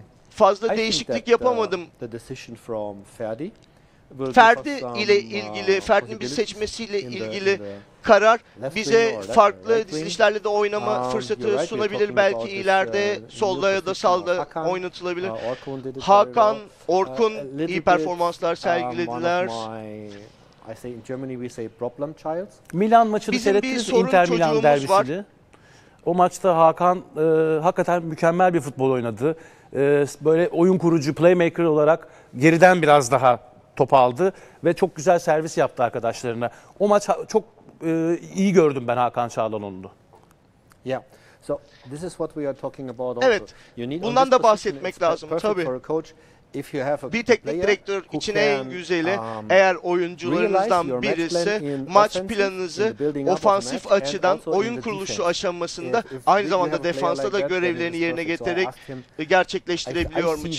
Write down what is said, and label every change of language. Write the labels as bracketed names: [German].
[Turkish] Fazla değişiklik yapamadım. Ferdi ile ilgili, Ferdi'nin bir seçmesiyle ilgili karar bize farklı dizilişlerle de oynama fırsatı sunabilir. Belki ileride solda ya da sağda oynatılabilir. Hakan, Orkun iyi performanslar sergilediler. [English] I say in Germany we say problem child. [Turkish] Milan maçını seyrettiniz, Inter Milan derbisiydi. O maçta Hakan hakikaten mükemmel bir futbol oynadı. Böyle oyun kurucu, playmaker olarak geriden biraz daha topu aldı ve çok güzel servis yaptı arkadaşlarına. O maç çok iyi gördüm ben Hakan Çağlanoğlu'nu. [English] Yeah. So this is what we are talking about also. [Turkish] Evet. Bundan da bahsetmek lazım tabii. [English] If you have a [Turkish] bir teknik direktör için en güzeli eğer oyuncularınızdan birisi maç planınızı ofansif açıdan oyun kuruluşu aşamasında aynı zamanda defansta da görevlerini yerine getirerek gerçekleştirebiliyor mu?